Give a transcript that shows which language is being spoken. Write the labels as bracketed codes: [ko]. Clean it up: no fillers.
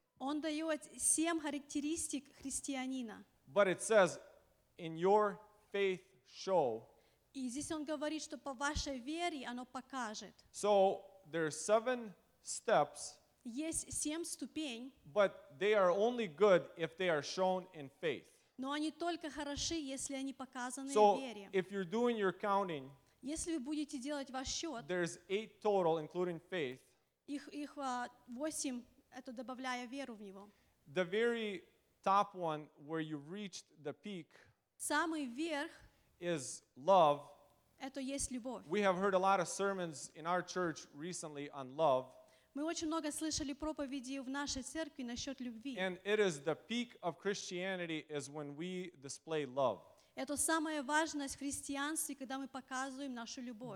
[ru] Он дает семь характеристик христианина. [en] But it says, in your faith show. [ru] И здесь он говорит, что по вашей вере оно покажет. [en] So there are seven steps. [ru] Есть семь ступень. [en] But they are only good if they are shown in faith. [ru] Но они только хороши, если они показаны [en] so [ru] в вере. [en] So if you're doing your counting. [ru] Если вы будете делать ваш счет. [en] There's eight total, including faith. [ru] Их восемь. Это добавляя веру в него. [en] The very top one where you reached the peak. [ru] Самый верх. [en] Is love. [ru] Это есть любовь. [en] We have heard a lot of sermons in our church recently on love. [ru] Мы очень много слышали проповеди в нашей церкви насчет любви. [en] And it is the peak of Christianity is when we display love. [ru] Это самая важность в христианстве, когда мы показываем нашу любовь.